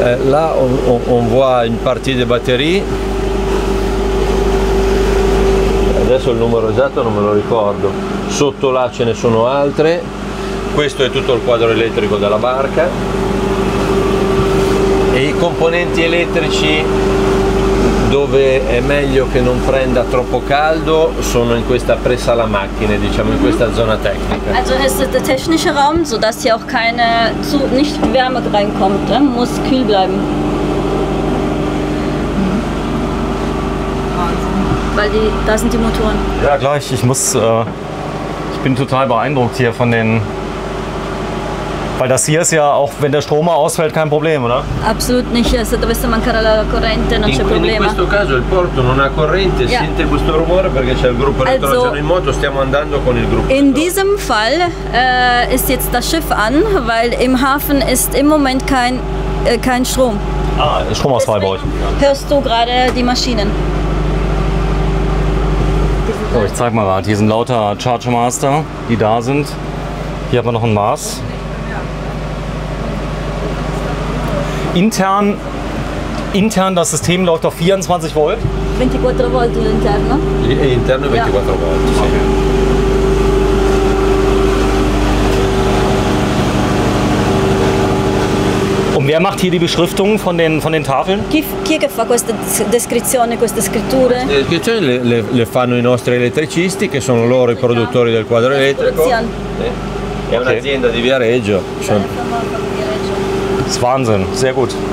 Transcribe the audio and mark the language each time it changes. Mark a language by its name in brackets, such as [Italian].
[French] Là, on voit une partie des batteries. [Italian] Adesso il numero esatto non me lo ricordo. Sotto là ce ne sono altre. Questo è tutto il quadro elettrico della barca. E i componenti elettrici dove è meglio che non prenda troppo caldo sono in questa presala macchine, diciamo in questa zona tecnica. [German] Also ist der technische Raum, so dass hier auch keine zu nicht Wärme reinkommt, muss kühl bleiben. Weil da sind die Motoren. Ja, gleich. Ich bin total beeindruckt hier von den. Weil das hier ist ja auch, wenn der Strom ausfällt, kein Problem, oder? Absolut nicht. [Italian] Se dovesse mancare la corrente, non c'è problema. In questo caso il porto non ha corrente. Yeah. Sente questo rumore perché c'è il gruppo elettrogeno in moto. Stiamo andando con il gruppo. [German] In diesem Fall ist jetzt das Schiff an, weil im Hafen ist im Moment kein Strom. Ah, Stromausfall bei euch. Hörst du gerade die Maschinen? So, ich zeig mal gerade, hier sind lauter Charger Master, die da sind. Hier haben wir noch einen Mars. Intern das System läuft auf 24 Volt? 24 Volt intern, ne? Intern 24 ja. Volt, okay. Und wer macht hier die Beschriftung von den Tafeln? [Italian] Chi che fa questa descrizione, queste scritture? Le descrizioni le fanno i nostri elettricisti, che sono loro i produttori del quadro elettrico. È un'azienda di Viareggio. [German] Das ist Wahnsinn, sehr gut.